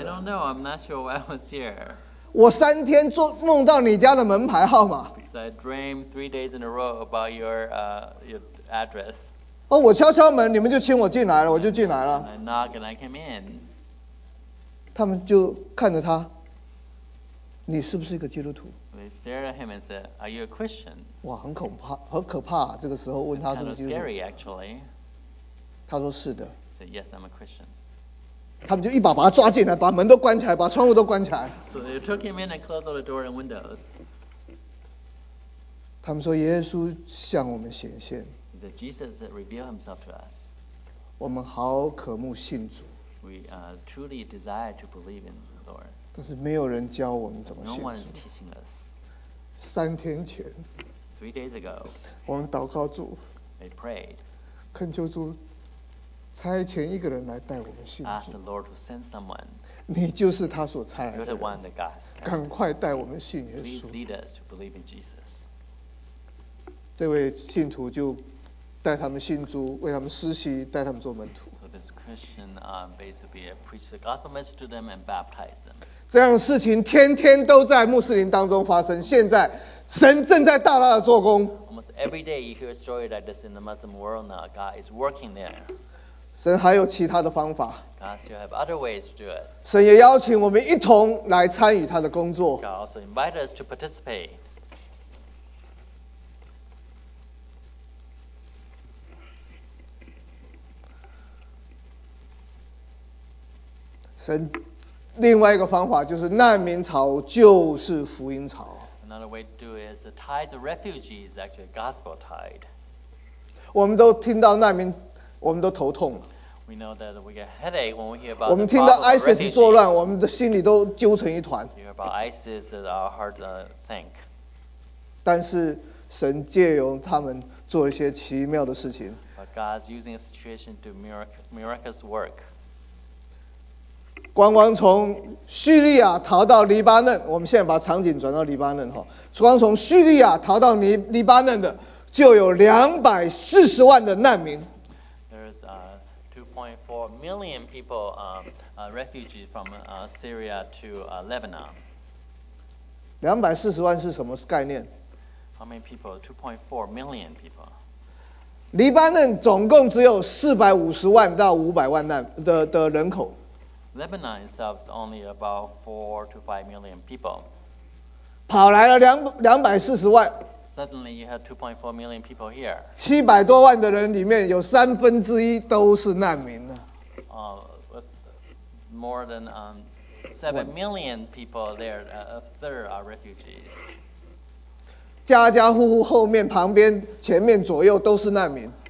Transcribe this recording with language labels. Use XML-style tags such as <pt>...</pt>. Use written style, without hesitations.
<en>I don't know. I'm not sure why I was here.</en> <zh>我三天做梦到你家的门牌号码。</zh> <en>Because I dreamed three days in a row about your address.</en> <zh>哦，我敲敲门，你们就请我进来了，我就进来了。</zh> <en>I knock and I came in.</en> <zh>他们就看着他，你是不是一个基督徒</zh> <en>？They stared at him and said, "Are you a Christian?"</en> <zh>哇，很恐怕，很可怕、啊。这个时候问他是不是基督徒</zh> <en>？It's kind of scary, actually.</en> <zh>他说是的。</zh> <en>Said yes, I'm a Christian.</en> <zh>他们就一把把他抓进来，把门都关起来，把窗户都关起来。</zh> <en>So they took him in and closed all the doors and windows.</en> <zh>他们说耶稣向我们显现。</zh> <en>He said Jesus revealed himself to us.</en> <zh>我们好渴慕信主。</zh> <en>We truly desire to believe in the Lord.</en> <zh>但是没有人教我们怎么信主。</zh> <en>No one is teaching us.</en> <zh>三天前。</zh> <en>Three days ago.</en> <zh>我们祷告主。 They prayed. 恳求主。差遣一个人来带我们信主。</zh> <en>Ask the Lord to send someone.</en> <zh>你就是他所差来的人。</zh> <en>You're the one that God sent.</en> <zh>赶快带我们信耶稣。</zh> <en>Please lead us to believe in Jesus.</en> <zh>这位信徒就带他们信主，为他们施洗，带他们做门徒。</zh> <en>So this Christian basically preach the gospel message to them and baptize them.</en> <zh>这样的事情天天都在穆斯林当中发生，现在神正在大大的做工。</zh> <en>Almost every day you hear a story like this in the Muslim world now, God is working there.</en> <zh>神还有其他的方法。</zh> <en>God still have other ways to do it.</en> <zh>神也邀请我们一同来参与他的工作。</zh> <en>God also invited us to participate.</en> <zh>神另外一个方法就是难民潮就是福音潮。</zh> <en>Another way to do it is the tides of refugees is actually a gospel tide.</en> <zh>我们都听到难民，我们都头痛。</zh> <en>We know that we get headache when we hear about the problem of</en> <zh>听到 ISIS 作乱，我们的心里都揪成一团。</zh> <en>We hear about ISIS that our hearts sank.</en> <zh>但是神借由他们做一些奇妙的事情。</zh> <en>But God's using a situation to miraculous work.</en> <zh>光光从叙利亚逃到黎巴嫩，我们现在把场景转到黎巴嫩，光从叙利亚逃到黎巴嫩的就有240万的难民。</zh> <en>There's 2.4 million people refugees from Syria to Lebanon.</en> <zh>240万是什么概念？</zh> <en>How many people? 2.4 million people.</en> <zh>黎巴嫩总共只有450万到500万的人口。</zh> <en>Lebanon itself is only about 4 to 5 million people.</en> <zh>跑来了240万。</zh> <en>Suddenly, you have 2.4 million people here.</en> <zh>700多万的人里面有三分之一都是难民呢。</zh> <en>More than 7 million people there, a third are refugees.</en> <zh>家家户户后面、旁边、前面、左右都是难民。</zh>